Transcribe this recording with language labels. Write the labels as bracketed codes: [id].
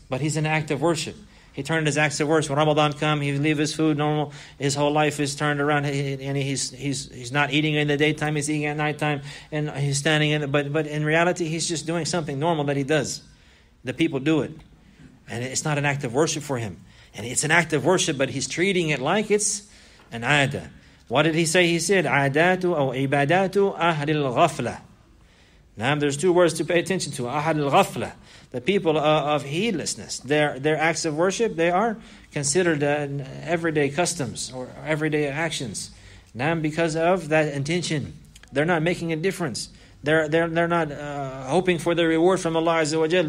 [en] But he's an act of worship. He turned his acts of worship. When Ramadan come, he leave his food normal, his whole life is turned around, and he's not eating in the daytime, he's eating at nighttime, and he's standing in it. But in reality, he's just doing something normal that he does. The people do it. And it's not an act of worship for him. And it's an act of worship, but he's treating it like it's an ada. What did he say? He said, [ar] عَادَاتُ أَوْ عِبَادَاتُ أَهْلِ الْغَفْلَةِ. [en] Now there's two words to pay attention to. [ar] أَهْلِ الْغَفْلَةِ. [en] The people of heedlessness. Their acts of worship, they are considered everyday customs or everyday actions. Now because of that intention, they're not making a difference. They're not hoping for the reward from Allah Azza wa Jalla.